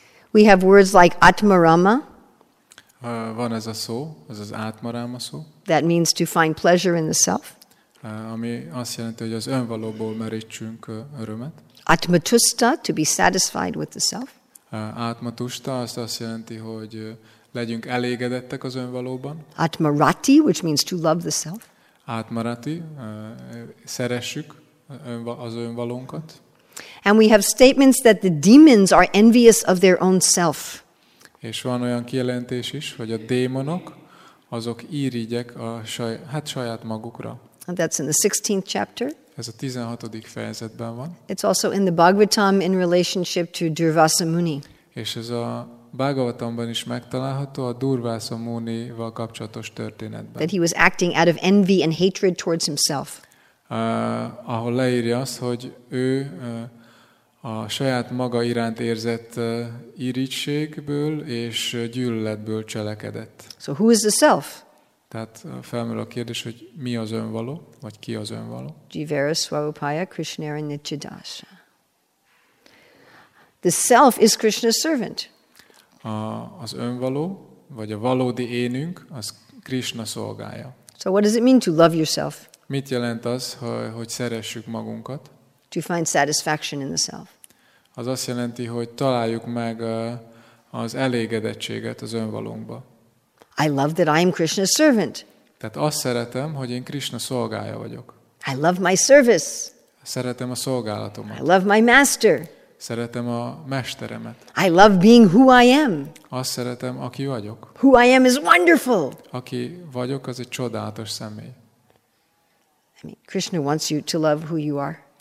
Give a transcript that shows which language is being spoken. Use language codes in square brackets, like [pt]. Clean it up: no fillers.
[en] We have words like atmarama. [hu] Van ez a szó, ez az atmarama szó. [en] That means to find pleasure in the self. [hu] Ami azt jelenti, hogy az önvalóból merítsünk örömet. [en] Atmatusta, to be satisfied with the self. [hu] Atmatusta, azt jelenti, hogy legyünk elégedettek az önvalóban. [en] Atmarati, which means to love the self. [hu] Atmarati, szeressük az önvalónkat. [en] And we have statements that the demons are envious of their own self. [hu] És van olyan kijelentés is, hogy a démonok, azok irigyek a saját magukra. [en] And that's in the 16th chapter. [hu] Ez a 16. fejezetben van. [en] It's also in the Bhagavatam in relationship to Durvasa Muni. [hu] És ez a Bhagavatamban is megtalálható a Durvasa Munival kapcsolatos történetben. [en] That he was acting out of envy and hatred towards himself. [hu] Ahol leírja azt, hogy ő a saját maga iránt érzett irigységből és gyűlöletből cselekedett. [en] So who is the self? [hu] Tehát felmerül a kérdés, hogy mi az önvaló, vagy ki az önvaló? [bn] Jivara Swarupaya Krishnara Nityadasa. [en] The self is Krishna's servant. [hu] Az önvaló, vagy a valódi énünk, az Krishna szolgája. [en] So what does it mean to love yourself? [hu] Mit jelent az, hogy szeressük magunkat? [en] To find satisfaction in the self. [hu] Az azt jelenti, hogy találjuk meg az elégedettséget az önvalónkba. [en] I love that I am Krishna's servant. [hu] Tehát azt szeretem, hogy én Krishna szolgája vagyok. [en] I love my service. [hu] Szeretem a szolgálatomat. [en] I love my master. [hu] Szeretem a mesteremet. [en] I love being who I am. [hu] Azt szeretem, aki vagyok. [en] Who I am is wonderful. [hu] Aki vagyok, az egy csodálatos személy. [en] I mean, Krishna wants you to love who you are.